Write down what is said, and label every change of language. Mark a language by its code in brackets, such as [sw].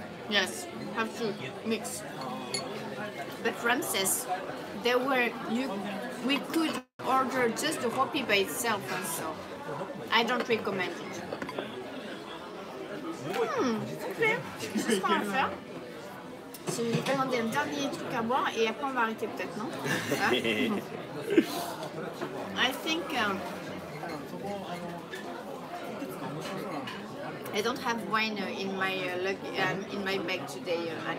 [en] Yes, have to mix. But Ramses, there were we could order just the hopi by itself, and so I don't recommend it. [fr] Okay, c'est juste pas à faire. C'est un dernier truc à boire et après on va arrêter peut-être, non? [en] I think I don't have wine in my in my bag today.